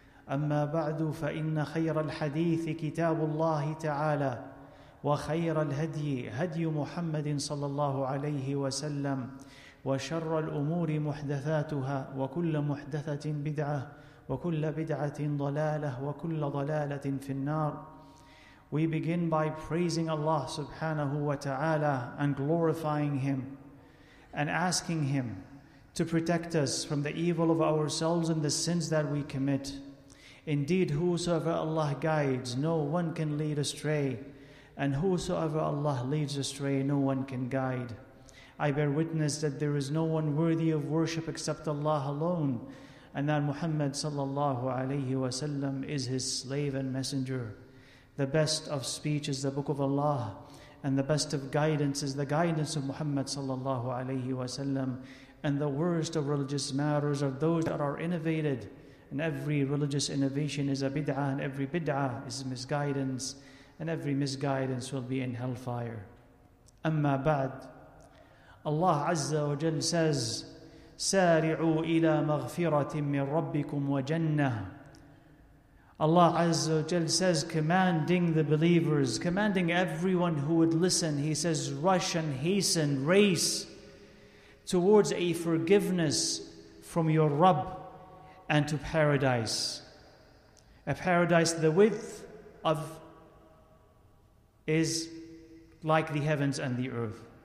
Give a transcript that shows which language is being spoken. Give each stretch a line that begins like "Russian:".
Arabic: أما بعد فإن خير الحديث كتاب الله تعالى وخير الهدي هدي محمد صلى الله عليه وسلم وشر الأمور محدثاتها وكل محدثة بدعة وكل بدعة ضلالة وكل ضلالة في النار.
English: We begin by praising Allah subhanahu wa ta'ala and glorifying Him and asking Him to protect us from the evil of ourselves and the sins that we commit. Indeed, whosoever Allah guides, no one can lead astray. And whosoever Allah leads astray, no one can guide. I bear witness that there is no one worthy of worship except Allah alone, and that Muhammad sallallahu alayhi wa sallam is his slave and messenger. The best of speech is the book of Allah, and the best of guidance is the guidance of Muhammad sallallahu alayhi wa sallam. And the worst of religious matters are those that are innovated. And every religious innovation is a bid'ah, and every bid'ah is misguidance, and every misguidance will be in hellfire.
Arabic: Amma ba'd. Allah Azza wa Jal says, سَارِعُوا إِلَى مَغْفِرَةٍ مِّن رَبِّكُمْ وَجَنَّةٍ.
English: Allah Azza wa Jal says, commanding the believers, commanding everyone who would listen, He says, rush and hasten, race towards a forgiveness from your Rabb, and to paradise, a paradise the width of is like the heavens and the earth.